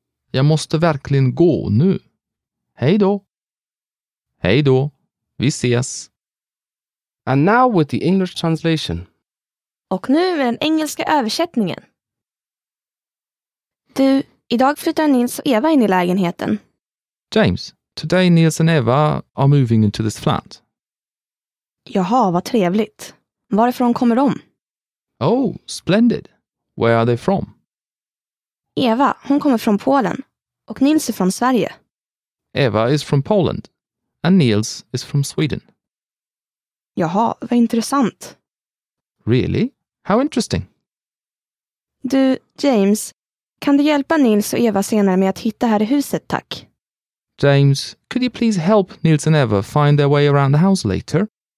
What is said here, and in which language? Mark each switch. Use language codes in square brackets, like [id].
[sv] Jag måste verkligen gå nu. Hej då. Hej då. Vi ses. [en] And now with the English translation. [sv] Och nu med den engelska översättningen. Du, idag flyttar Nils och Eva in I lägenheten. [en] James, today Nils and Eva are moving into this flat. [sv] Jaha, vad trevligt. Varifrån kommer de? [en] Oh, splendid. Where are they from? [sv] Eva, hon kommer från Polen. Och Nils är från Sverige. [en] Eva is from Poland. And Nils is from Sweden. [sv] Jaha, vad intressant. [en] Really? How interesting. [sv] Du, James, kan du hjälpa Nils och Eva senare med att hitta här I huset, tack? [en] James, could you please help Nils and Eva find their way around the house later?